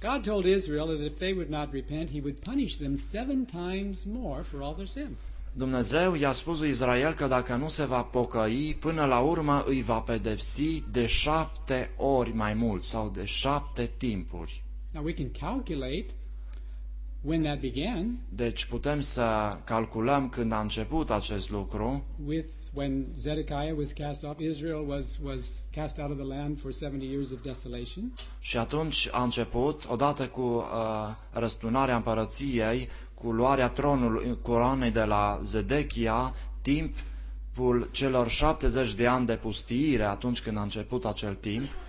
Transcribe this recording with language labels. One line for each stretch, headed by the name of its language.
English: God told Israel that if they would not repent, he would punish them 7 times more for all their sins.
Romanian: Dumnezeu i-a spus lui Israel că dacă nu se va pocăi, până la urmă îi va pedepsi de 7 ori mai mult sau de 7 timpuri.
English: Now we can calculate when that began.
Romanian: Deci putem să calculăm când a început acest lucru.
English: With when Zedekiah was cast off, Israel was cast out of the land for 70 years of desolation.
Romanian: Și atunci a început odată cu răsturnarea împărăției, cu luarea tronului coroanei de la Zedechia, timpul celor 70 de ani de pustiire, atunci când a început acel timp.